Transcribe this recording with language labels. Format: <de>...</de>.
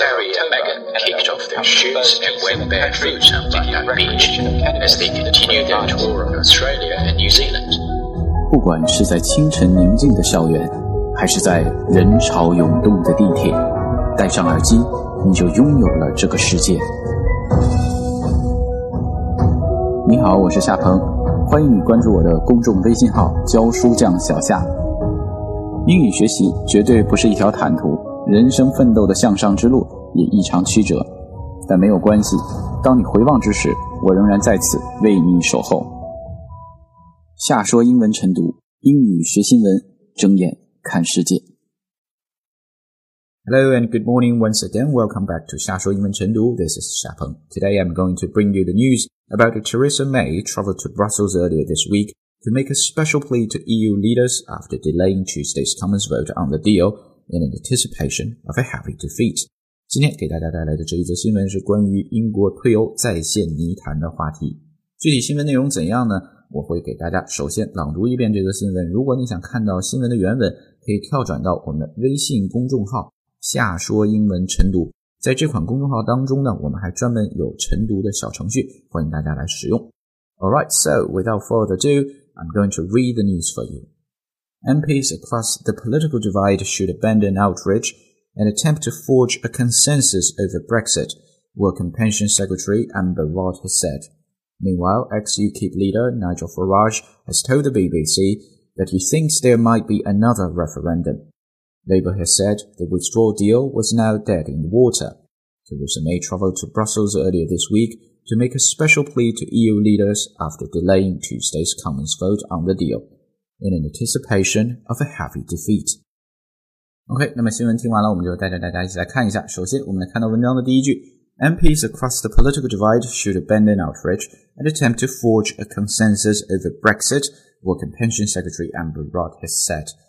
<en>area, Megan kicked off their shoes and went barefoot on Bondi Beach as they continued their tour of Australia and New Zealand.</en> <zh>不管是在清晨宁静的校园，还是在人潮涌动的地铁，戴上耳机，你就拥有了这个世界。你好，我是夏鹏，欢迎你关注我的公众微信号“教书匠小夏”。英语学习绝对不是一条坦途，人生奋斗的向上之路也异常曲折，但没有关系，当你回望之时，我仍然在此为你守候。下说英文晨读，英语学新闻，睁眼看世界。</zh> <en>Hello and good morning once again. Welcome back to 下说英文晨读。This is 夏鹏。 Today I'm going to bring you the news about Theresa May traveled to Brussels earlier this week to make a special plea to EU leaders after delaying Tuesday's Commons vote on the deal in anticipation of a heavy defeat.</en> <zh>今天给大家带来的这一则新闻是关于英国退欧再现泥潭的话题。具体新闻内容怎样呢？我会给大家首先朗读一遍这个新闻，如果你想看到新闻的原文，可以跳转到我们的微信公众号下说英文晨读。在这款公众号当中呢，我们还专门有晨读的小程序，欢迎大家来使用。</zh> <en>Alright, so without further ado, I'm going to read the news for you. MPs across the political divide should abandon outrage and attempt to forge a consensus over Brexit, Working Pension Secretary Amber Rudd has said. Meanwhile, ex-UKIP leader Nigel Farage has told the BBC that he thinks there might be another referendum. Labour has said the withdrawal deal was now dead in the water. Theresa May travelled to Brussels earlier this week to make a special plea to EU leaders after delaying Tuesday's Commons vote on the deal, in anticipation of a heavy defeat.</en> <zh>OK, 那么新闻听完了，我们就带着大家一起来看一下。首先，我们来看到文章的第一句。</zh> <en>MPs across the political divide should abandon outrage and attempt to forge a consensus over Brexit, Working Pension Secretary Amber Rudd has said.</en>